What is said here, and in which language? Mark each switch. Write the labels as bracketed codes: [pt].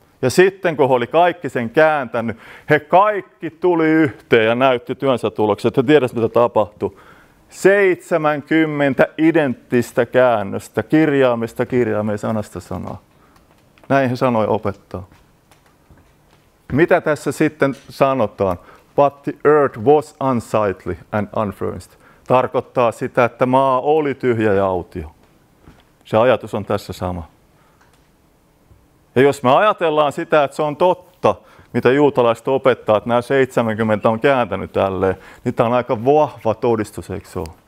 [fi] Ja sitten, kun he oli kaikki sen kääntänyt, he kaikki tuli yhteen ja näytti työnsä tulokset. He tiedät, mitä tapahtui. 70 identtistä käännöstä, kirjaamista kirjaimeen, sanasta sanaa. Näin he sanoi opettaa. Mitä tässä sitten sanotaan? [en] But the earth was unsightly and unfurnished. [fi] Tarkoittaa sitä, että maa oli tyhjä ja autio. Se ajatus on tässä sama. Ja jos me ajatellaan sitä, että se on totta, mitä juutalaiset opettaa, että nämä 70 on kääntänyt tälleen, niin tämä on aika vahva todistus, eikö se ole?